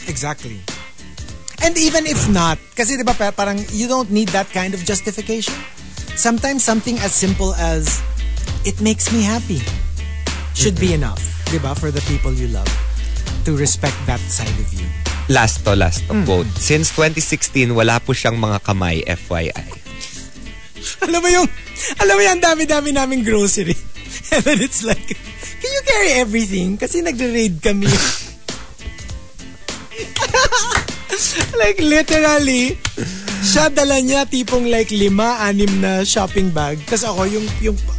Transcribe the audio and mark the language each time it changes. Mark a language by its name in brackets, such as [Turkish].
[English] Exactly. And even if not, [Filipino] kasi diba parang [English] you don't need that kind of justification. Sometimes something as simple as it makes me happy should be enough, [Filipino] diba, [English] for the people you love to respect that side of you. Last to quote. [Filipino] Since 2016, wala po siyang mga kamay, FYI. Alam mo yung dami-dami naming grocery. [English] And then it's like, can you carry everything? [Filipino] Kasi nagre-raid kami. [English] Like literally, [Filipino] siya dala niya tipong like 5-6 na shopping bag. Kasi ako yung...